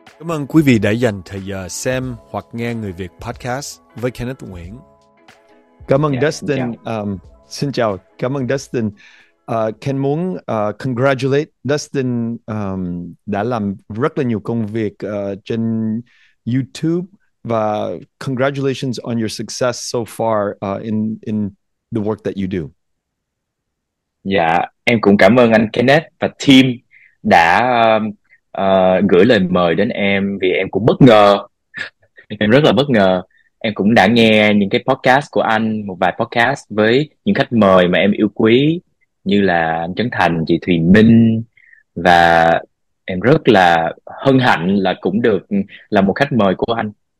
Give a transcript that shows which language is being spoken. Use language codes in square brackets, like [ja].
[vi] Cảm ơn quý vị đã dành thời giờ xem hoặc nghe Người Việt Podcast với Kenneth Nguyễn. Cảm ơn Dustin. Xin chào. Cảm ơn Dustin. Ken muốn congratulate Dustin đã làm rất là nhiều công việc trên YouTube. [en] Congratulations on your success so far in the work that you do. [vi] Yeah, em cũng cảm ơn anh Kenneth và team đã gửi lời mời đến em, vì em cũng bất ngờ. Em rất là bất ngờ. Em cũng đã nghe những cái podcast của anh, một vài podcast với những khách mời mà em yêu quý như là anh Trấn Thành, chị Thùy Minh, và em rất là hân hạnh là cũng được là một khách mời của anh.